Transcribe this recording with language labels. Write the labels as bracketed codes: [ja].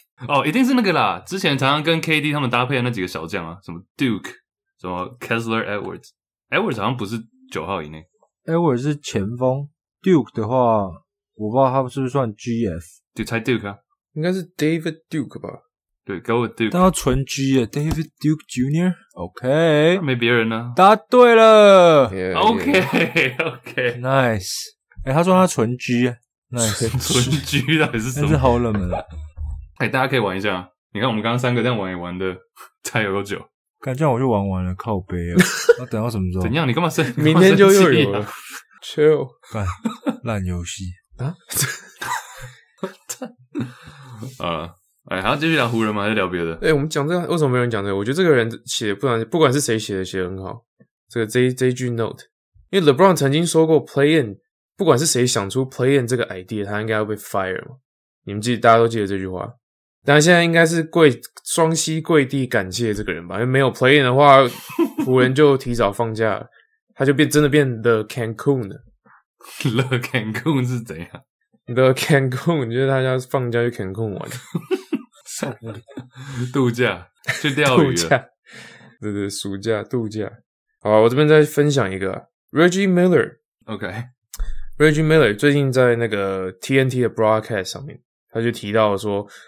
[zh] 哦，一定是那个啦，之前常常跟 KD 他们搭配的那几个小将啊，什么 Duke， 什么 Kessler Edwards 好像不是9号以内，Edwards 是前锋 ，Duke 的话，我不知道他是不是算 GF，就猜 Duke 啊，应该是 David Duke 吧。对 ， [en] Go with Duke， [zh] 但他纯 G 耶 ，David Duke Jr. [en] OK， [zh] 没别人呢、啊，答对了 [en] yeah, ，OK OK，Nice， [zh] 哎、欸，他说他纯 G， 纯、nice、纯 G 到底是什么？是好冷门的，哎、欸，大家可以玩一下，你看我们刚刚三个这样玩也玩的才有多久？感觉我就玩完了，靠杯了，要等到什么时候？怎样？你干嘛生？明天就又有了 ， [en] Chill， [zh] 干烂游戏啊！哎，还要继续聊湖人吗？还是聊别的？哎、欸，我们讲这个，为什么没有人讲这个？我觉得这个人写，不管是谁写的，写得很好。这个这一句 note， 因为 LeBron 曾经说过 play in， 不管是谁想出 play in 这个 idea， 他应该要被 fire 嘛。你们记得，大家都记得这句话。但现在应该是双膝跪地感谢这个人吧？因为没有 play in 的话，湖人就提早放假了，他就真的变 the Cancun 了。 the Cancun 是怎样？the Cancun 就是大家放假去 Cancun 玩。度假去钓鱼了度假，对对，暑假度假。好，我这边再分享一个 Reggie Miller。 [en] OK，Reggie [zh] Miller 最近在那个 TNT 的 broadcast 上面，他就提到说，